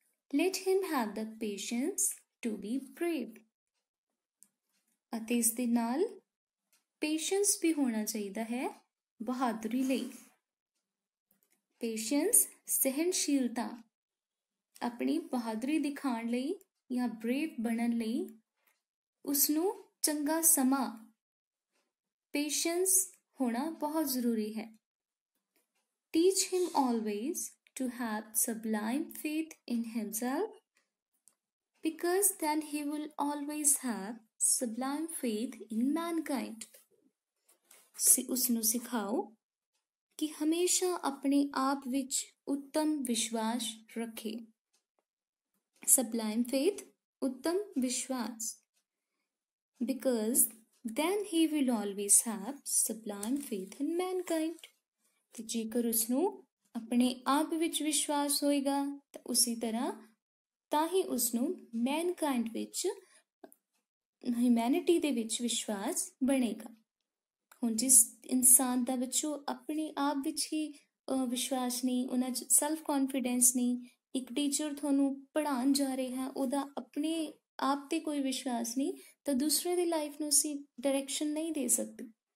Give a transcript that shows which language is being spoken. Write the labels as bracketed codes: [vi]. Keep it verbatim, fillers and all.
[en] let him have the patience to be brave, [pa] ਅਤੇ ਇਸ ਦੇ ਨਾਲ ਪੇਸ਼ੈਂਸ ਵੀ ਹੋਣਾ ਚਾਹੀਦਾ ਹੈ ਬਹਾਦਰੀ ਲਈ। ਪੇਸ਼ੈਂਸ ਸਹਿਣਸ਼ੀਲਤਾ, ਆਪਣੀ ਬਹਾਦਰੀ ਦਿਖਾਉਣ ਲਈ ਜਾਂ ਬ੍ਰੇਵ ਬਣਨ ਲਈ ਉਸਨੂੰ ਚੰਗਾ ਸਮਾਂ, ਪੇਸ਼ੈਂਸ [hi] होना बहुत ज़रूरी है। [en] Teach him always to have sublime faith in himself, because then he will always have sublime faith in mankind। [pa] ਸੀ ਉਸਨੂੰ ਸਿਖਾਓ ਕਿ ਹਮੇਸ਼ਾ ਆਪਣੇ ਆਪ ਵਿੱਚ ਉੱਤਮ ਵਿਸ਼ਵਾਸ ਰੱਖੇ। [en] sublime faith, [pa] ਉੱਤਮ ਵਿਸ਼ਵਾਸ, [en] because then he will always have sublime faith in mankind। [pa] ਤੇ ਜੇਕਰ ਉਸਨੂੰ ਆਪਣੇ ਆਪ ਵਿੱਚ ਵਿਸ਼ਵਾਸ ਹੋਏਗਾ ਤਾਂ ਉਸੇ ਤਰ੍ਹਾਂ ਤਾਂ ਹੀ ਉਸਨੂੰ ਮੈਨਕਾਈਂਡ ਵਿੱਚ, ਹਿਊਮੈਨਿਟੀ ਦੇ ਵਿੱਚ ਵਿਸ਼ਵਾਸ ਬਣੇਗਾ। ਹੁਣ ਜਿਸ ਇਨਸਾਨ ਦਾ ਬੱਚੋ ਆਪਣੇ ਆਪ ਵਿੱਚ ਹੀ ਅਹ, ਵਿਸ਼ਵਾਸ ਨਹੀਂ, ਉਹਨਾਂ 'ਚ ਸੈਲਫ ਕੌਨਫੀਡੈਂਸ ਨਹੀਂ, ਇੱਕ ਟੀਚਰ ਤੁਹਾਨੂੰ ਪੜ੍ਹਾਉਣ ਜਾ ਰਿਹਾ ਉਹਦਾ ਆਪਣੇ ਆਪ 'ਤੇ ਕੋਈ ਵਿਸ਼ਵਾਸ ਨਹੀਂ, ਤਾਂ ਦੂਸਰੇ ਦੀ ਲਾਈਫ ਨੂੰ ਅਸੀਂ ਡਾਇਰੈਕਸ਼ਨ ਨਹੀਂ ਦੇ ਸਕਦੇ।